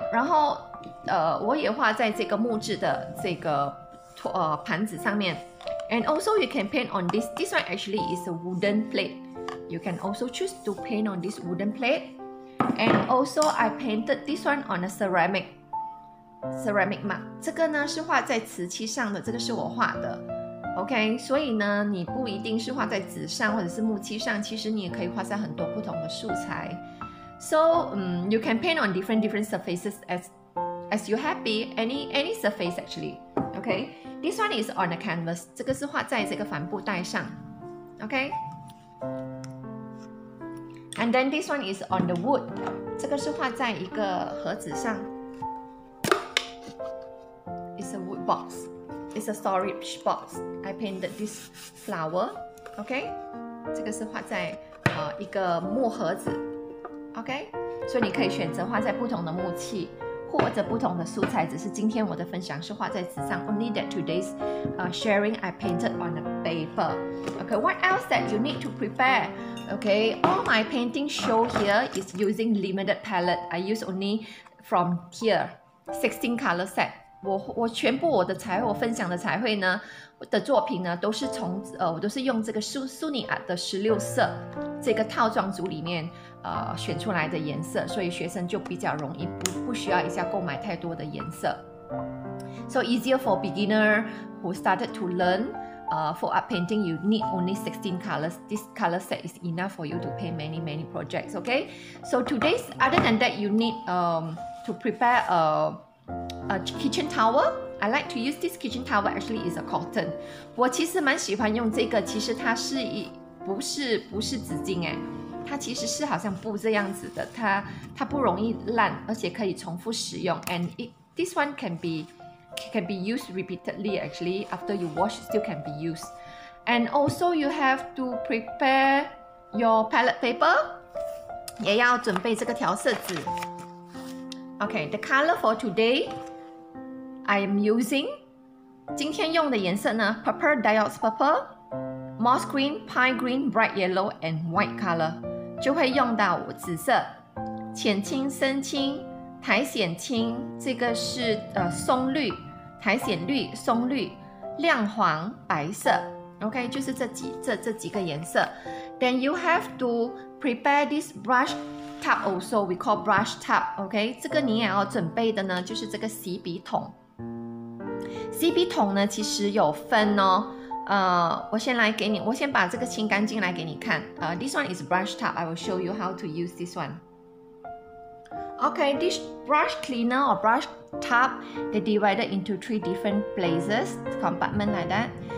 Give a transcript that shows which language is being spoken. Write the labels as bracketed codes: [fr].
[zh] 然后我也画在这个木质的这个盘子上面。 [en] And also, you can paint on this. This one actually is a wooden plate. You can also choose to paint on this wooden plate. And also, I painted this one on a ceramic mug. [zh] 这个呢是画在瓷器上的，这个是我画的。 OK, 所以呢，你不一定是画在纸上或者是木器上，其实你也可以画在很多不同的素材。 [en] So, you can paint on different surfaces as you happy, any surface actually. OK, this one is on a canvas. [zh] 这个是画在这个帆布袋上。 OK. [en] And then this one is on the wood. [zh] 这个是画在一个盒子上。 [en] a wood box. It's a storage box. I painted this flower. Okay? [zh] 这个是画在一个木盒子。 Okay? 所以你可以选择画在不同的木器或者不同的素材，只是今天我的分享是画在纸上。 [en] Only that today's sharing I painted on a paper. Okay, what else that you need to prepare? Okay, all my painting show here is using limited palette. I use only from here, 16 color set. [zh] 我全部我的彩绘，我分享的彩绘呢的作品呢，都是从我都是用这个 SuNi Art 的16色这个套装组里面选出来的颜色，所以学生就比较容易，不需要一下购买太多的颜色。 [en] So easier for beginner who started to learn, for art painting, you need only 16 colors. This color set is enough for you to paint many, many projects. Okay. So today's, other than that, you need to prepare a kitchen towel. I like to use this kitchen towel. Actually, it's a cotton. [zh] 我其实蛮喜欢用这个，其实它是不是纸巾哎。它其实是好像布这样子的，它不容易烂，而且可以重复使用。 [en] And this one can be used repeatedly. Actually, after you wash, still can be used. And also, you have to prepare your palette paper. [zh] 也要准备这个调色纸。 [en] Okay, the color for today, I am using. [zh] 今天用的颜色呢 [en] ，purple diodes purple, moss green, pine green, bright yellow, and white color. [zh] 就会用到紫色、浅青、深青、苔藓青，这个是松绿、苔藓绿、松绿、亮黄、白色。 OK， 就是这几个颜色。 [en] Then you have to prepare this brush tub also. We call brush tub. [zh] OK， 这个你也要准备的呢，就是这个洗笔筒。洗笔筒呢，其实有分哦。我先把这个清干净来给你看。 [en] This one is brush tub. I will show you how to use this one. Okay, this brush cleaner or brush tub, they divided into three different places, compartment like that.